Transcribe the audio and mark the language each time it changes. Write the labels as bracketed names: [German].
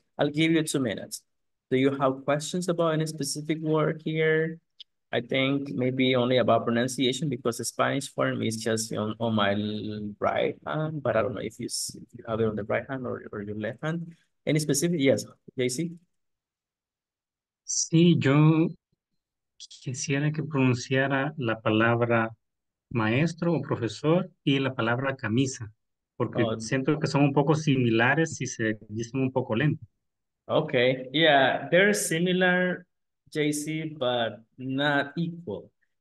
[English] I'll give you 2 minutes. Do you have questions about any specific word here? I think maybe only about pronunciation, because the Spanish for me is just on my right hand, but I don't know if you have it on the right hand or your left hand. Any specific? Yes, JC? [Spanish] Sí, yo quisiera que pronunciara la palabra maestro o profesor y la palabra camisa, porque oh, siento que son un poco similares y se dicen un poco lento. [English] Okay, yeah, they're similar, JC, but not equal.